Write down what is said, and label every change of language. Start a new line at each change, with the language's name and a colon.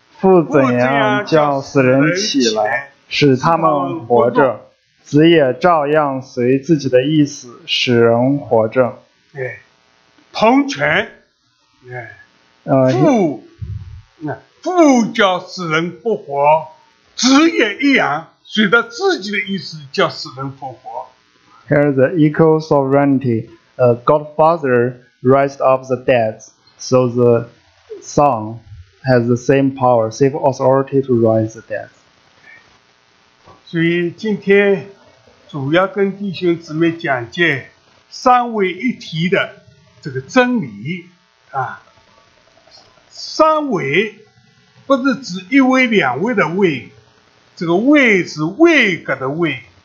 Chinese: 父怎样叫死人起来，使他们活着，子也照样随自己的意思使人活着。同权。父叫死人复活，子也一样，随着自己的意思叫死人复活。
English: Here's the equal sovereignty. Godfather raised up the dead, so the Son has the same power, same authority to raise the dead.
Chinese: 所以今天主要跟弟兄姊妹讲解三位一体的这个真理啊。三位不是指一位两位的位，这个位是位格的位。